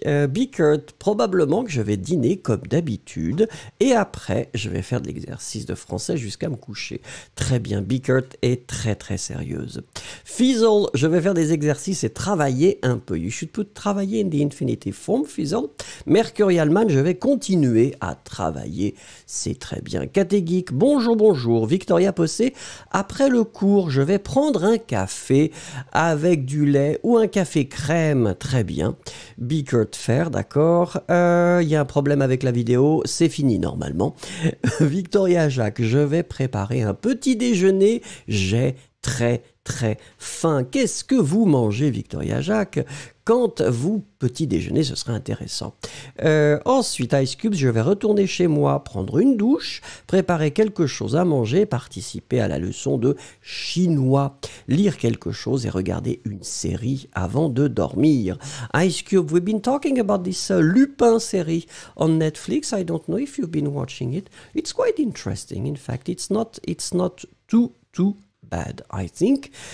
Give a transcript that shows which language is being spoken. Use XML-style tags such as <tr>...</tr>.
<fr>Bickert, probablement que je vais dîner comme d'habitude. Et après, je vais faire de l'exercice de français jusqu'à me coucher. Très bien, Bickert est très très sérieuse. Fizzle, je vais faire des exercices et travailler un peu.</fr> <en>You should put travailler in the infinitive form, Fizzle.</en> <fr>Mercurial Man, je vais continuer à travailler. C'est très bien. Kate Geek, bonjour, bonjour. Victoria Posse, après le cours, je vais prendre un café avec du lait ou un café crème. Très bien. Bickert Fair, d'accord. Il y a un problème avec la vidéo. C'est fini normalement. Victoria Jacques, je vais préparer un petit déjeuner. J'ai très, très faim. Qu'est-ce que vous mangez, Victoria Jacques? Quand vous petit déjeuner, ce sera intéressant. Ensuite, Ice Cubes, je vais retourner chez moi, prendre une douche, préparer quelque chose à manger, participer à la leçon de chinois, lire quelque chose et regarder une série avant de dormir.</fr> <en>Ice Cube, we've been talking about this Lupin série on Netflix. I don't know if you've been watching it. It's quite interesting. In fact, it's not too bad, I think.</en>